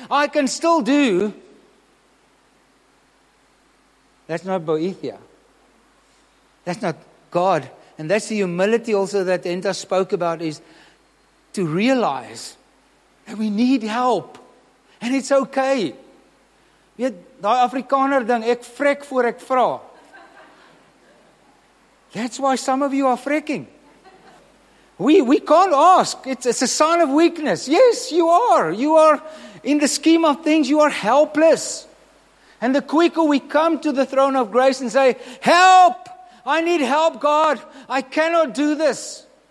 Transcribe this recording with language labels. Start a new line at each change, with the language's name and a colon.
English: I can still do. That's not boethia. That's not God. And that's the humility also that the Enter spoke about, is to realize that we need help. And it's okay. The Afrikaner thing,
Afrikaans: ek frek voor ek vra.
English: That's why some of you are freaking. We can't ask. It's a sign of weakness. Yes, you are. You are, in the scheme of things, you are helpless. And the quicker we come to the throne of grace and say, help! I need help, God. I cannot do this.